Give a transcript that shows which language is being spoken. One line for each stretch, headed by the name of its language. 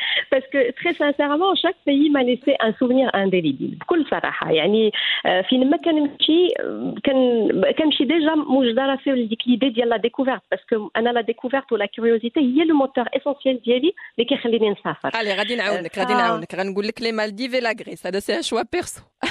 French: Parce que très sincèrement, chaque pays m'a laissé un souvenir indélébile.
Arabic: كل صراحة يعني في المكان كي كنمشي
French: déjà
Arabic: مجدرة في ديك
French: l'idée
Arabic: ديال
French: la découverte parce que
Arabic: انا
French: la découverte ou la curiosité
Arabic: هي
French: le moteur essentiel
Arabic: ديالي اللي كيخليني نسافر.
French: Allez,
Arabic: غادي نعاونك غنقول لك
French: les Maldives et la Grèce, هذا سي un choix perso.